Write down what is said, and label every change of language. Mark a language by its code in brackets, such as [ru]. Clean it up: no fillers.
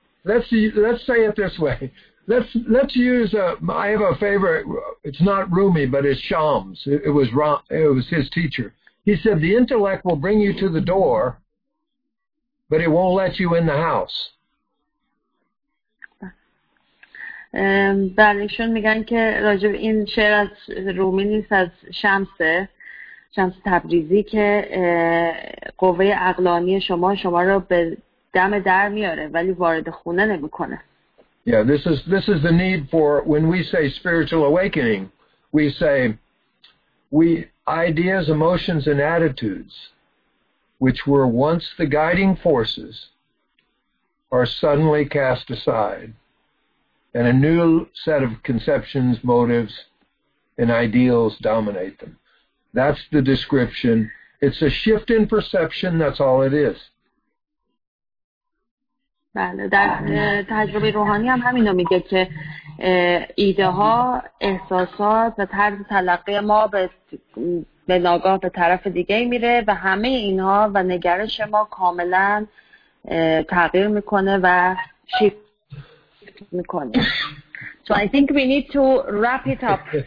[en] Let's say it this way. Let's use I have a favorite. It's not Rumi, but it's Shams. It was his teacher. He said the intellect will bring you to the door, but it won't let you in the house. [fa] بله ایشون میگن که راجع به این شعر از رومی نیست از شمس تبریزی که قوه عقلانی شما رو به دم در میاره ولی وارد خونه نمیکنه. [en] Yeah, this is the need for when we say spiritual awakening, we say we ideas, emotions and attitudes which were once the guiding forces are suddenly cast aside. And a new set of conceptions, motives, and ideals dominate them. That's the description. It's a shift in perception. That's all it is. [fa] بله در تجربه روحانی هم همینو میگه که ایده‌ها، احساسات و طرز تلقی ما به ناگاه به طرف دیگه میره و همه اینها و نگرش ما کاملا تغییر میکنه و شیفت. [en] So I think we need to wrap it up.